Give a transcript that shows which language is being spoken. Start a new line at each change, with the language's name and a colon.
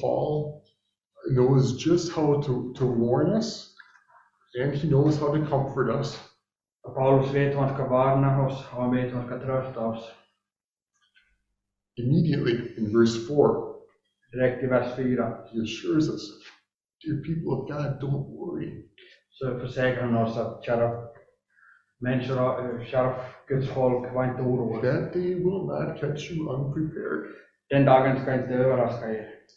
English: Paul knows just how to warn us, and he knows how to comfort us.
Swedish: Paulus vet hur han ska varna oss, och han vet hur han ska trösta oss.
English: Immediately in verse 4,
Swedish: direkt i vers 4,
English: he assures us, dear people of God, don't worry.
Swedish: Så försäkrar han oss att kära Guds folk, var inte oroliga.
English: That day will not catch you unprepared.
Swedish: Den dagen ska inte överraska er.